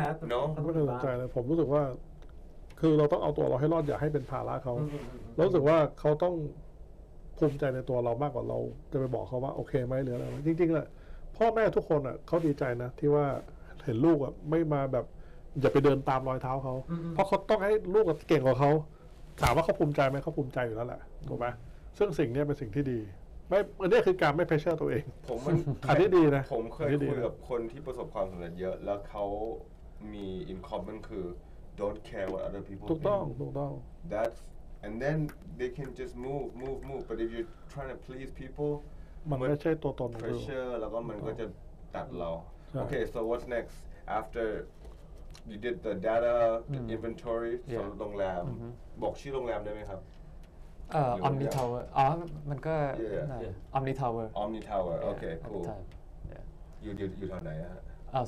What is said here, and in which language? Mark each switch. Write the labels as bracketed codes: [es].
[th] ม่ไม่ถึงใจเลยผมรู้สึกว่าคือเราต้องเอาตัวเราให้รอดอย่าให้เป็นภาระเขารู้สึกว่าเขาต้องภูมิใจในตัวเรามากกว่าเราจะไปบอกเขาว่าโอเคไหมหรืออะไรจริงๆแหละพ่อแม่ทุกคนอ่ะเขาดีใจนะที่ว่าเห็นลูกอ่ะไม่มาแบบอย่าไปเดินตามรอยเท้าเขาเพราะเขาต้องให้ลูกเก่งกว่าเขาถามว่าเขาภูมิใจไหมเขาภูมิใจอยู่แล้วแหละถูกไหมซึ่งสิ่งนี้เป็นสิ่งที่ดีไม่อันนี้คือการไม่เพชเชอร์ตัวเอง ผมมัน อันนี้ดีนะ ผมเคยคุยกับคนที่ประสบความสำเร็จเยอะแล้วเขามีอินคอมมอนคือ [en] don't care what other people [th] ถูกต้อง [en] that's and then they can just move but if you're trying to please peoplem [th] นไม่ใช่ตัวตน ของเราแล้วก็มันก็จะตัดเราโอเค [en] so what's next after you did the data inventory [th] สำหรับโรงแรมบอกชื่อโรงแรมได้ไหมครับ Omni Tower อ๋อมันก็ Omni Tower โอเค cool อยู่ทางไหนฮะ